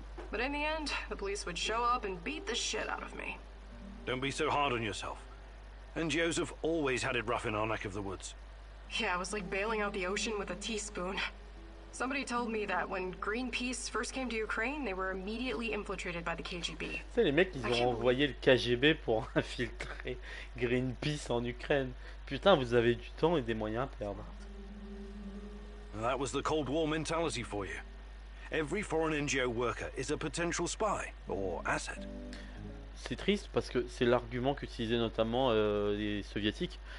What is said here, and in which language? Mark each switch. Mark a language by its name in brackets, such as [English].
[English] But in the end, the police would show up and beat the shit out of me. Don't be so hard on yourself. NGOs have always had it rough in our neck of the woods. Yeah, it was like bailing out the ocean with a teaspoon. Somebody told me that when Greenpeace first came to Ukraine, they were immediately infiltrated by the KGB. [French] C'est les mecs, ils ont envoyé le KGB pour infiltrer Greenpeace en Ukraine. Putain, vous avez du temps et des moyens à perdre. [English] That was the Cold War mentality for you. Every foreign NGO worker is a potential spy or asset. [French] C'est triste parce que c'est l'argument qu'utilisaient notamment les soviétiques.